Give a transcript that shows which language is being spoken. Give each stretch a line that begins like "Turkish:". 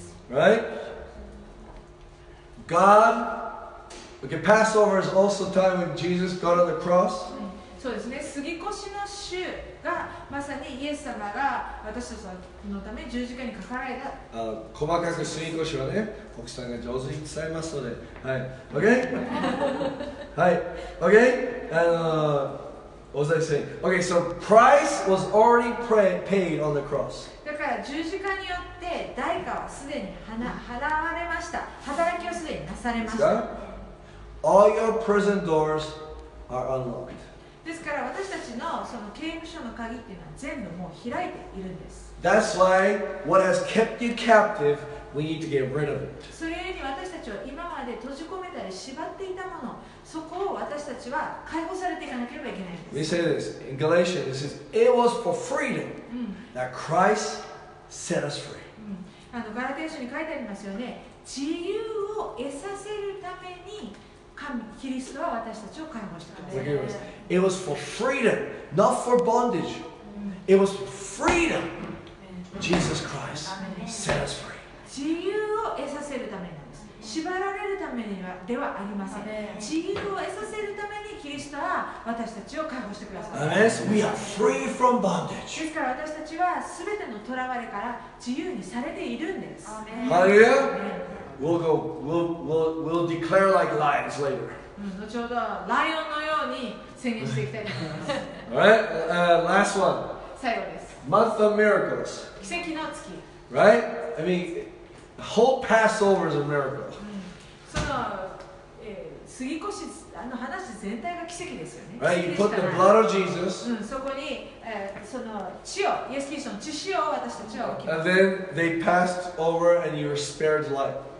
English: Right. God. Okay. Passover is also time when Jesus got on the cross.
Japanese: そうですね、杉越の週がまさにイエス様が私たちのため十字架にかかられた。細かく杉越はね、奥さんが上手に伝えますので、はい、okay? はい、okay?
English: 大崎さん、okay, so price was already paid on the cross.
Japanese: だから十字架によって代価はすでに払われました。働きをすでになされました。
English: All your prison doors are unlocked.
Japanese: ですから私たち の, その刑務所の鍵っていうのは全部もう開いているんです。
English: That's why what has kept you captive, we need to get rid of it.
Japanese: それゆえに私たちは今まで閉じ込めたり縛っていたもの、そこを私たちは解放されていかなければいけないんです。
English: We say this in Galatians, it says, it was for freedom that Christ set us free.、
Japanese: ガラテー書に書いてありますよね。自由を得させるために、キリストは私たちを解放したんです。
English: Okay, yes. It was for freedom, not for bondage. It was freedom. Jesus Christ set us free.
Japanese: 自由を得させるためなんです。縛られるためにはではありません。自由を得させるためにキリストは私たちを解放してくださった。
English: Yes, we are free from bondage.
Japanese: ですから私たちは全ての囚われから自由にされているんです。
English: Hallelujah. We'll declare like lions later.
Japanese: 後ほどライオンのように宣言していきたいと思います。
English: All right, last one.
Japanese: 最後です。
English: Month of miracles.
Japanese: 奇跡の月。
English: Right? I mean, whole Passover is a miracle.
Japanese: その、杉越あの話全体が奇跡ですよね。
English: Right, you put the blood of Jesus.
Japanese: うん、そこに、その血を、イエス・キリストの血潮を私たちは置きます。
English: And then they passed over and you were spared life.